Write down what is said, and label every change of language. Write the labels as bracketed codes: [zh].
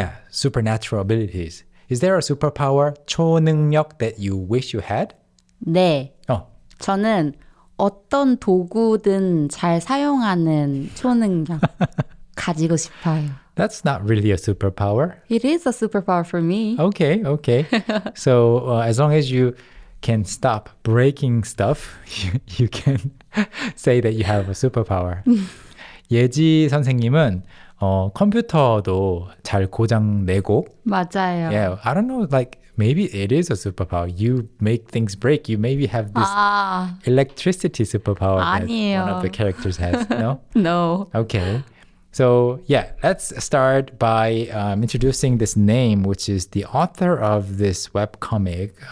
[en] Supernatural abilities. Is there a superpower, 초능력, that you wish you had? [ko] 네. 저는 어떤 도구든 잘 사용하는 초능력 가지고 싶어요. [en] That's not really a superpower. It is a superpower for me. Okay, okay. So as long as you can stop breaking stuff, you can say that you have a superpower. [ko] 예지 선생님은 컴퓨터도 잘 고장내고. 맞아요. [en] Yeah, I don't know, like, maybe it is a superpower. You make things break. You maybe have this electricity superpower. [ko] 아니에요. [en] That one of the characters has, no? No. Okay. So, yeah, let's start by introducing this name, which is the author of this webcomic.